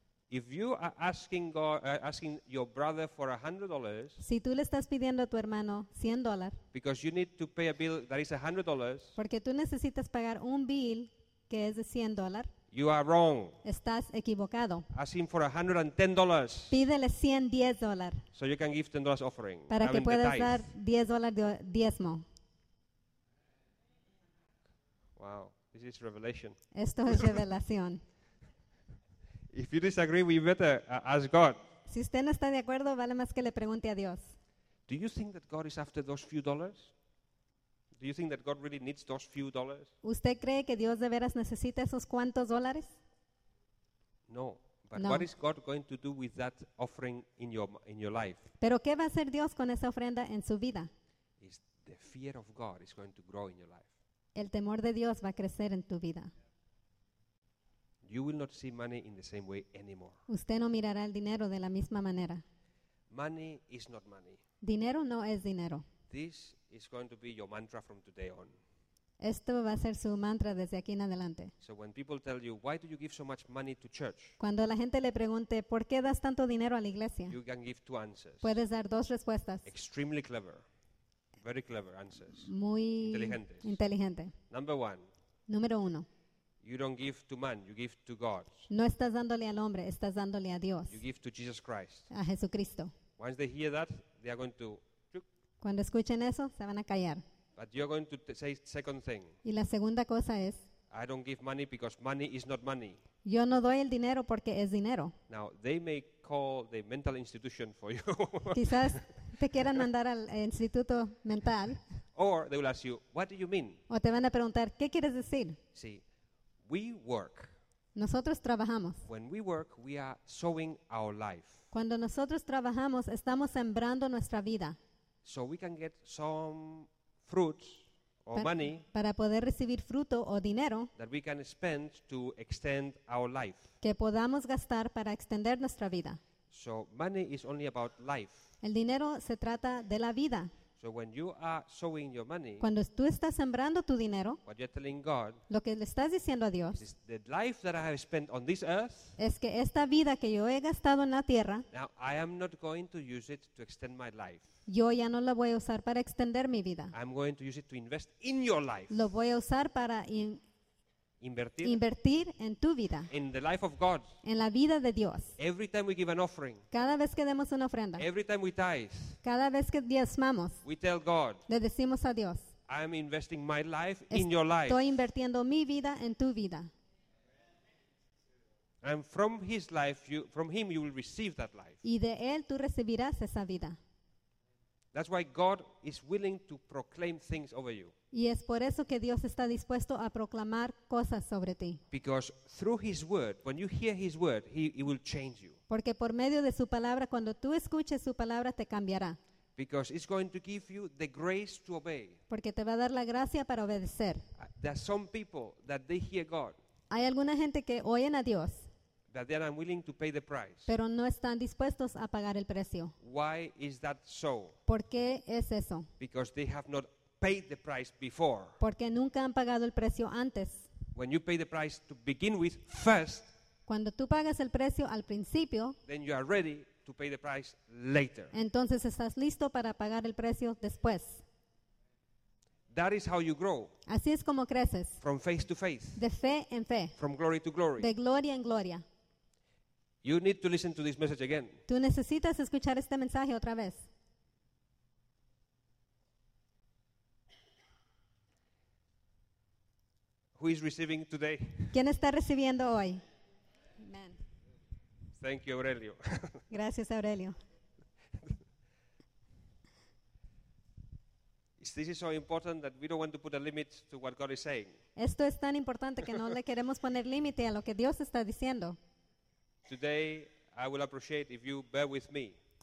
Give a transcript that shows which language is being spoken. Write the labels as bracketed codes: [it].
[en] If you are asking God, asking your brother for $100, [es] si tú le estás pidiendo a tu hermano $100, [en] because you need to pay a bill that is $100, [es] porque tú necesitas pagar un bill que es de $100. [en] You are wrong. [es] Estás equivocado. [en] Ask him for $110. [es] Pídele $110. [en] So you can give $10 offering. [es] Para que puedas dar $10 de diezmo. [en] Wow, this is revelation. [es] Esto es revelación. [en] If you disagree, we better ask God. [es] Si usted no está de acuerdo, vale más que le pregunte a Dios. [en] Do you think that God is after those few dollars? Do you think that God really needs those few dollars? [es] ¿Usted cree que Dios de veras necesita esos cuantos dólares? [en] No, But what is God going to do with that offering in your life? [es] Pero ¿qué va a hacer Dios con esa ofrenda en su vida? [en] Is the fear of God is going to grow in your life. [es] El temor de Dios va a crecer en tu vida. [en] You will not see money in the same way anymore. [es] Usted no mirará el dinero de la misma manera. [en] Money is not money. [es] Dinero no es dinero. [en] This is going to be your mantra from today on. [es] Esto va a ser su mantra desde aquí en adelante. [en] So when people tell you, why do you give so much money to church? [es] Cuando la gente le pregunte, ¿por qué das tanto dinero a la iglesia? [en] You can give two answers. [es] Puedes dar dos respuestas. [en] Extremely clever. Very clever answers. [es] Muy inteligentes. Inteligente. [en] Number one. [es] Número uno. [en] You don't give to man, you give to God. [es] No estás dándole al hombre, estás dándole a Dios. [en] You give to Jesus Christ. [es] A Jesucristo. [en] Once they hear that, they are going to... [es] Cuando escuchen eso, se van a callar. [en] But you're going to say second thing. [es] Y la segunda cosa es, [en] I don't give money because money is not money. [es] Yo no doy el dinero porque es dinero. [en] Now they may call the mental institution for you. [es] Quizás te quieran mandar al instituto mental. [en] Or they will ask you, what do you mean? [es] O te van a preguntar, ¿qué quieres decir? [en] Sí, we work. [es] Nosotros trabajamos. [en] When we work, we are sowing our life. [es] Cuando nosotros trabajamos, estamos sembrando nuestra vida. [en] So we can get some fruits or money [es] para poder recibir fruto o dinero [en] that we can spend to extend our life. [es] Que podamos gastar para extender nuestra vida. [en] So money is only about life. [es] El dinero se trata de la vida. [en] So when you are sowing your money, [es] cuando tú estás sembrando tu dinero, [en] what you're telling God, [es] lo que le estás diciendo a Dios [en] is the life that I have spent on this earth, [es] es que esta vida que yo he gastado en la tierra, [en] now I am not going to use it to extend my life. [es] Yo ya no la voy a usar para extender mi vida. [en] I'm going to use it to invest in your life. [es] Lo voy a usar para invertir en tu vida. [en] In the life of God. [es] En la vida de Dios. [en] Every time we give an offering. [es] Cada vez que demos una ofrenda. [en] Every time we tithe. [es] Cada vez que diezmamos. [en] We tell God. [es] Le decimos a Dios. [en] I'm investing my life in your life. [es] Estoy invirtiendo mi vida en tu vida. [en] And from his life, from him you will receive that life. [es] Y de él tú recibirás esa vida. [en] That's why God is willing to proclaim things over you. [es] Y es por eso que Dios está dispuesto a proclamar cosas sobre ti. [en] Because through his word, when you hear his word, he will change you. [es] Porque por medio de su palabra, cuando tú escuches su palabra, te cambiará. [en] Because it's going to give you the grace to obey. [es] Porque te va a dar la gracia para obedecer. [en] There are some people that they hear God. [es] Hay alguna gente que oyen a Dios. [en] That they are unwilling to pay the price. [es] Pero no están dispuestos a pagar el precio. [en] Why is that so? [es] ¿Por qué es eso? [en] Because they have not paid the price before. [es] Porque nunca han pagado el precio antes. [en] When you pay the price to begin with first, [es] cuando tú pagas el precio al principio, [en] then you are ready to pay the price later. [es] Entonces estás listo para pagar el precio después. [en] That is how you grow. [es] Así es como creces. [en] From faith to faith. [es] De fe en fe. [en] From glory to glory. [es] De gloria en gloria. [en] You need to listen to this message again. [es] Tú necesitas escuchar este mensaje otra vez. [en] Who is receiving today? [es] ¿Quién está recibiendo hoy? Amen. [en] Thank you, Aurelio. [es] Gracias, Aurelio. [en] This is so important that we don't want to put a limit to what God is saying. [es] Esto es tan importante que no le queremos poner límite a lo que Dios está diciendo. [en] Today, I will appreciate if you bear with me.